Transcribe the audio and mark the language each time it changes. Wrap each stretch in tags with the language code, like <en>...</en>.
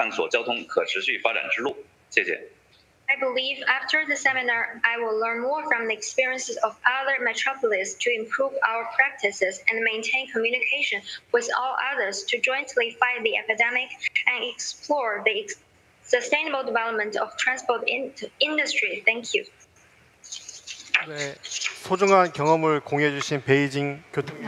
<zh>通过这次研讨会，我们也将学习借鉴其他国际城市的经验，进一步完善北京的做法，也希望能够继续保持和大家的沟通交流，共同抗击疫情，探索交通可持续发展之路。谢谢。</zh> <en>I believe after the seminar, I will learn more from the experiences of other metropolises to improve our practices and maintain communication with all others to jointly fight the epidemic and explore the sustainable development of transport industry. Thank you.</en> <ko>네, 소중한 경험을 공유해 주신 베이징 교통.</ko>